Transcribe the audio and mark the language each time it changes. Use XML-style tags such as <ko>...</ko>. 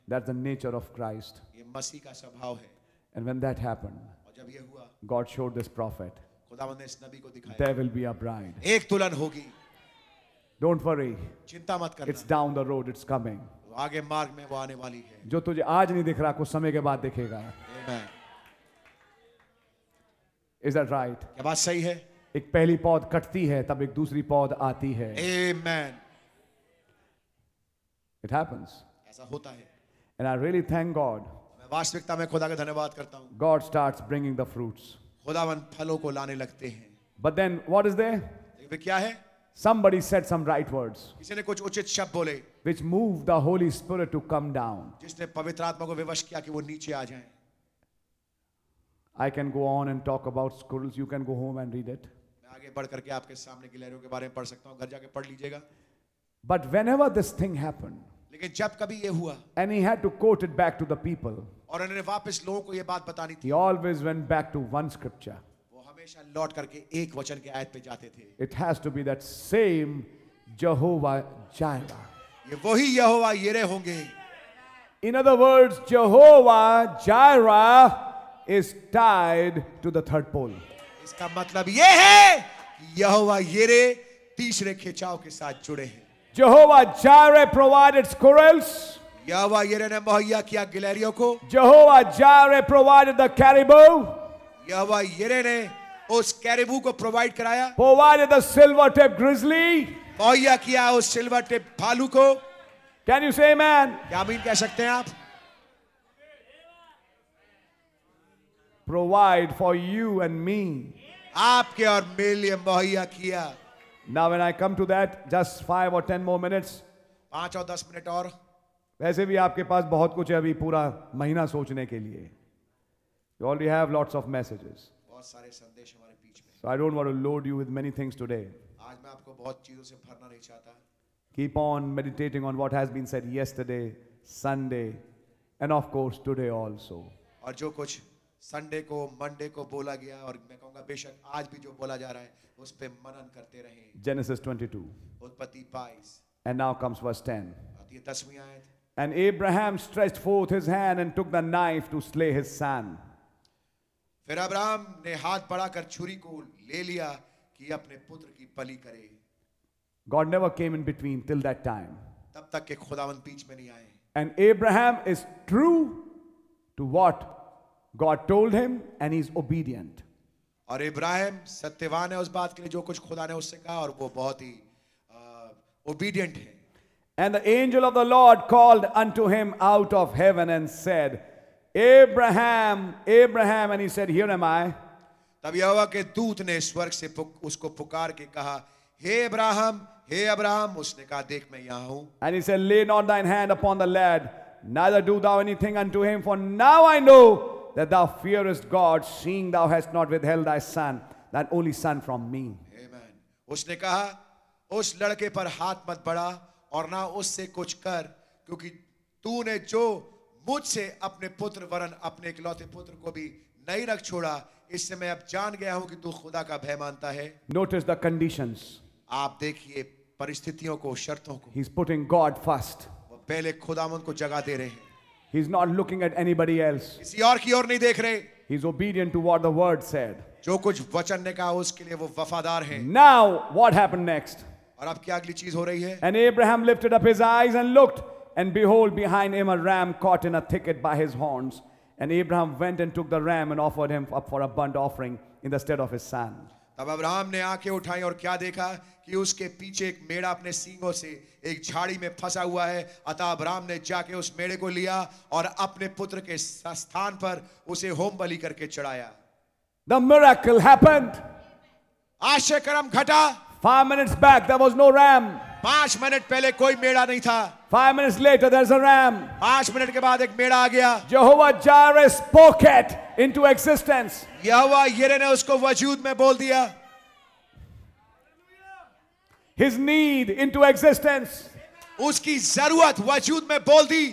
<en>That's the nature of Christ.</en> <hi>ये मसीह का स्वभाव है.</hi> <en>And when that happened,</en> <hi>और जब ये हुआ,</hi> <en>God showed this prophet.</en> <hi>खुदावन ने इस नबी को दिखाया.</hi> <en>There will be a bride.</en> <hi>एक दुल्हन होगी.</hi> <en>Don't worry.</en> <hi>चिंता मत करना.</hi> <en>It's down the road. It's coming.</en> <hi>आगे मार्ग में वो आने वाली है. जो तुझे आज नहीं दिख रहा, कुछ समय के बाद दिखेगा.</hi> <en>Amen. Is that right?</en> <hi>क्या बात सही है? एक पहली पौध कटती है, तब एक दूसरी पौध आती है.</hi> <en>Amen. It happens.</en> <hi>ऐसा होता है.</hi> <en>And I really thank God.</en> <hi>मैं वास्तविकता में खुदा का धन्यवाद करता हूँ.</hi> <en>God starts bringing the fruits.</en> <hi>खुदावन फलों को लाने लगते हैं.</hi> <en>But then, what is there?</en> <hi>क्या है?</hi> <en>Somebody said some right words,</en> <hi>किसी ने कुछ उचित शब्द बोले,</hi> <en>which moved the Holy Spirit to come down.</en> <hi>जिसने पवित्र आत्मा को विवश किया कि वो नीचे आ जाएं.</hi> <en>I can go on and talk about squirrels. You can go home and read it.</en> <hi>मैं आगे बढ़ करके आपके सामने की लहरों के बारे में पढ़ सकता हूँ. घर जाके पढ़ लीजिएगा.</hi> <en>But whenever this thing happened,</en> <hi>लेकिन जब कभी ये हुआ,</hi> <en>and he had to quote it back to the people,</en> <hi>और उन्होंने वापस लोगों को ये बात बतानी थी,</hi> <en>he always went back to one scripture.</en> <hi>लौट करके एक वचन के आयत पे जाते थे.</hi> <en>It has to be that same Jehovah Jireh.</en> <hi>ये वही यहोवा यरे होंगे.</hi> <en>In other words, Jehovah Jireh is tied to the third pole.</en> <hi>इसका मतलब ये है कि यहोवा यरे तीसरे खिंचाव के साथ जुड़े हैं.</hi> <en>Jehovah Jireh provided squirrels.</en> <hi>यहोवा यरे ने मुहैया किया गिलहरियों को.</hi> <en>Jehovah Jireh provided the caribou.</en> <hi>यहोवा यरे ने उस कैरिबू को प्रोवाइड कराया.</hi> <en>Provided the silver tip grizzly.</en> <hi>मुहैया किया उस सिल्वर टिप भालू को.</hi> <en>Can you say amen?</en> <hi>क्या आमीन कह सकते हैं आप?</hi> <en>Provide for you and me.</en> <hi>आपके और मेरे लिए मुहैया किया.</hi> <en>Now when I come to that, just 5 or 10 more minutes.</en> <hi>5 or 10 minute और. वैसे भी आपके पास बहुत कुछ है अभी पूरा महीना सोचने के लिए.</hi> <en>You already have lots of messages.</en> <hi>सारे संदेश हमारे बीच में.</hi> <en>So I don't want to load you with many things today.</en> <hi>आज मैं आपको बहुत चीजों से भरना नहीं चाहता.</hi> <en>Keep on meditating on what has been said yesterday, Sunday, and of course today also.</en> <hi>और जो कुछ संडे को, मंडे को बोला गया, और मैं कहूंगा बेशक आज भी जो बोला जा रहा है उस पे मनन करते रहें.</hi> <en>Genesis 22.</en> <hi>उत्पत्ति 22.</hi> <en>And now comes verse 10.</en> <hi>और ये 10वीं आयत.</hi> <en>And Abraham stretched forth his hand and took the knife to slay his son.</en> <hi>फिर अब्राहम ने हाथ बढ़ाकर छुरी को ले लिया कि अपने पुत्र की बलि करे.</hi> <en>God never came in between till that time.</en> <hi>तब तक के खुदावंद बीच में नहीं आए.</hi> <en>And Abraham is true to what God told him and he's obedient.</en> <hi>और इब्राहिम सत्यवान है उस बात के लिए जो कुछ खुदा ने उससे कहा, और वो बहुत ही obedient है.</hi> <en>And the angel of the Lord called unto him out of heaven and said, Abraham, Abraham, and he said, Here am I.</en> <hi>तब यहोवा के दूत ने स्वर्ग से उसको पुकार के कहा, हे अब्राहम, हे अब्राहम. उसने कहा, देख मैं यहाँ हूँ.</hi> <en>And he said, Lay not thine hand upon the lad, neither do thou anything unto him, for now I know that thou fearest God, seeing thou hast not withheld thy son, thine only son, from me. Amen.</en> <hi>उसने कहा, उस लड़के पर हाथ मत बढ़ा और ना उससे कुछ कर, क्योंकि तूने जो मुझसे अपने पुत्र वरन अपने इकलौते पुत्र को भी नहीं रख छोड़ा, इससे मैं अब जान गया हूं कि तू खुदा का भय मानता है.</hi> <en>Notice the conditions.</en> <hi>आप देखिए परिस्थितियों को, शर्तों को.</hi> <en>He's putting God first.</en> <hi>वो पहले खुदावंद को जगह दे रहे हैं.</hi> <en>He's not looking at anybody else.</en> <hi>किसी और की ओर नहीं देख रहे.</hi> <en>He's obedient to what the word said.</en> <hi>जो कुछ वचन ने कहा उसके लिए वो वफादार है.</hi> <en>Now what happened next?</en> <hi>और अब क्या अगली चीज हो रही है?</hi> <en>And Abraham lifted up his eyes and looked, and behold, behind him a ram caught in a thicket by his horns. And Abraham went and took the ram and offered him up for a burnt offering in the stead of his son.</en> <hi>तब Abraham ने आंखें उठाई और क्या देखा कि उसके पीछे एक मेड़ा अपने सींगों से एक झाड़ी में फंसा हुआ है. अतः अब्राहम ने जाके उस मेड़े को लिया और अपने पुत्र के स्थान पर उसे होम बलि करके चढ़ाया.</hi> <en>The miracle happened.</en> <hi>आश्चर्यकर्म घटा.</hi> <en>5 minutes back there was no ram.</en> <hi>5 minute पहले कोई मेड़ा नहीं था.</hi> <en>5 minutes later, there's a ram.</en> <hi>5 minute के बाद एक मेड़ा आ गया.</hi> <en>Jehovah Jireh spoke it into existence.</en> <hi>यहोवा यरे ने उसको वजूद में बोल दिया.</hi> <en>His need into existence.</en> <hi>उसकी जरूरत वजूद में बोल दी.</hi>